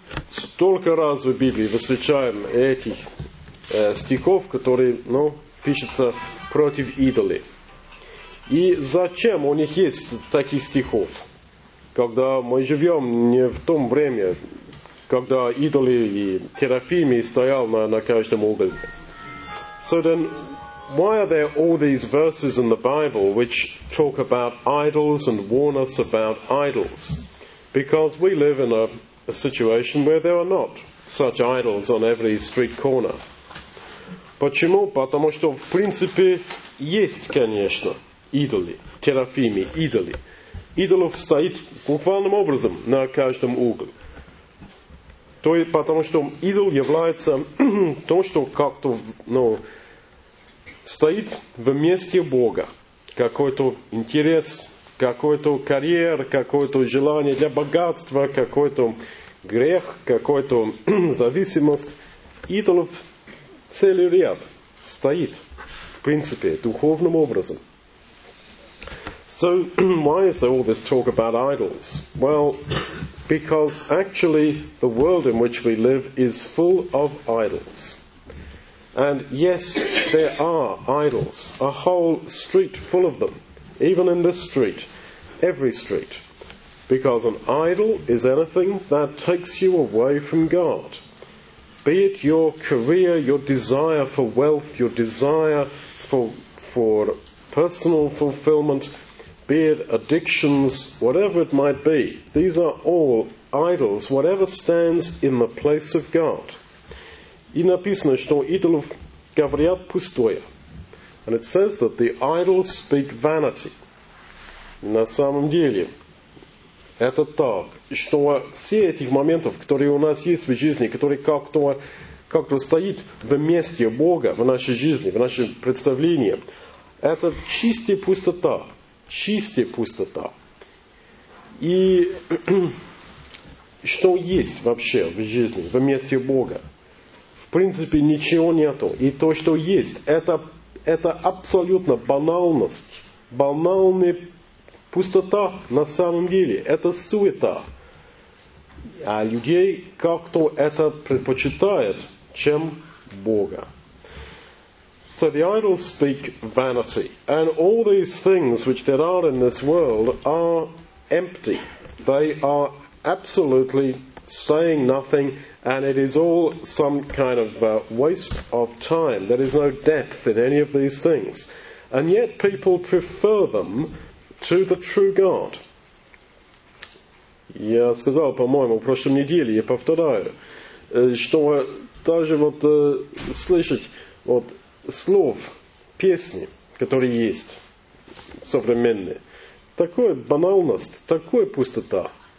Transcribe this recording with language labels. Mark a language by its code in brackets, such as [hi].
[ru] Столько раз в Библии встречаем этих стихов, которые, пишется против идолы. И зачем у них есть таких стихов? Когда мы живем не в том время, когда идолы и терафимы стоял на каждом углу. [en] So then, why are there all these verses in the Bible which talk about idols and warn us about idols? Because we live in a situation where there are not such idols on every street corner. [ru] Почему? Потому что, в принципе, есть, конечно, идолы, терафимы, идолы. Идолов стоит буквальным образом на каждом углу. То есть, потому что идол является то, что как-то стоит вместе Бога. Какой-то интерес, какой-то карьер, какое-то желание для богатства, какой-то грех, какой-то зависимость. Идолов целый ряд стоит, в принципе, духовным образом. [en] So, why is there all this talk about idols? Well, because actually the world in which we live is full of idols. And yes, there are idols, a whole street full of them, even in this street, every street. Because an idol is anything that takes you away from God. Be it your career, your desire for wealth, your desire for personal fulfillment, be it addictions, whatever it might be, these are all idols, whatever stands in the place of God. [ru] И написано, что идолов говорят пустое. [en] And it says that the idols speak vanity. [ru] На самом деле, это так, что все этих моментов, которые у нас есть в жизни, которые как-то стоит вместе Бога в нашей жизни, в нашем представлении, это чистая пустота. Чистая пустота. И что есть вообще в жизни, в месте Бога? В принципе, ничего нету. И то, что есть, это абсолютно банальность. Банальная пустота на самом деле. Это суета. А людей как-то это предпочитает, чем Бога. [en] So the idols speak vanity. And all these things which there are in this world are empty. They are absolutely saying nothing, and it is all some kind of waste of time. There is no depth in any of these things. And yet people prefer them to the true God. [ru] Я сказал, по-моему, в прошлой неделе, я повторяю, что даже вот слышать вот слов, песни, которые есть современные, такая банальность, такая пустота.